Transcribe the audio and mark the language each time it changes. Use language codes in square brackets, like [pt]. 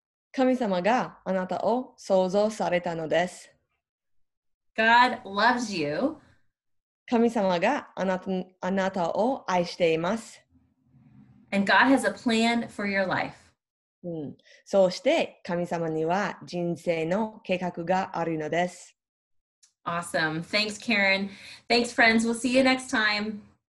[ja] 神様 があなた を 創造されたのです。 [en] God loves you. [ja] 神様 があなた を 愛しています。 [en] And God has a plan for your life. [ja] そして 神様 には 人生の 計画 があるのです。 [en] Awesome. Thanks, Karen. Thanks, friends. We'll see you next time.